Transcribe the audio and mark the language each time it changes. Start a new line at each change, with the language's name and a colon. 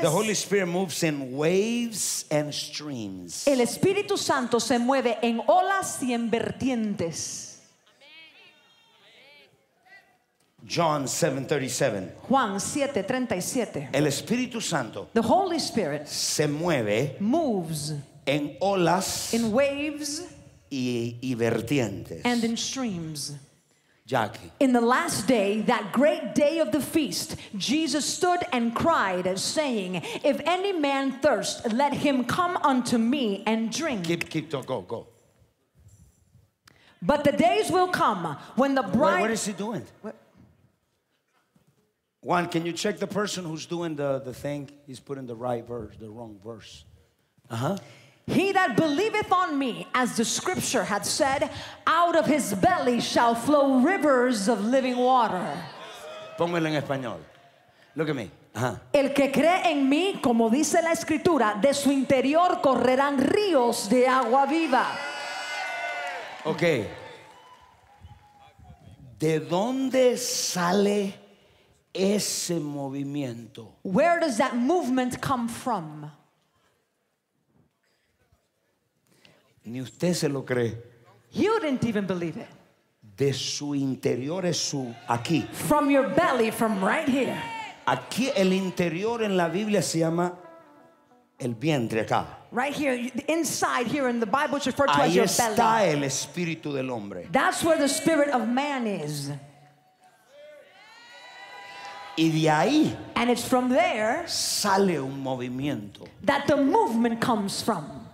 English: The Holy Spirit moves in waves and streams.
Spanish: El Espíritu Santo se mueve en olas y en vertientes.
English: John 7:37.
Spanish: Juan 7:37. El Espíritu Santo.
English: The Holy Spirit
Spanish: se mueve.
English: Moves.
Spanish: En olas.
English: In waves.
Spanish: Y vertientes.
English: And in streams. Jackie. In the last day, that great day of the feast, Jesus stood and cried, saying, "If any man thirst, let him come unto me and drink." Keep to go, go. But the days will come when the bride. What is he doing? Juan, can you check the person who's doing the thing? He's putting the right verse, the wrong verse. Uh-huh. He that believeth on me, as the scripture hath said, out of his belly shall flow rivers of living water.
Spanish: Póngalo en español.
English: Look at me.
Spanish: Uh-huh. El que cree en mí, como dice la escritura, de su interior correrán ríos de agua viva.
English: Okay.
Spanish: ¿De dónde sale ese movimiento?
English: Where does that movement come from?
Spanish: Ni usted se lo cree.
English: You didn't even believe it.
Spanish: De su interior es su aquí.
English: From your belly, from right here.
Spanish: Aquí el interior en la Biblia se llama el vientre acá.
English: Right here, inside here in the Bible, it's referred to
Spanish: ahí
English: as your belly.
Spanish: Ahí está el espíritu del hombre.
English: That's where the spirit of man is.
Spanish: Y de ahí,
English: and it's from there,
Spanish: sale un movimiento,
English: that the movement comes from.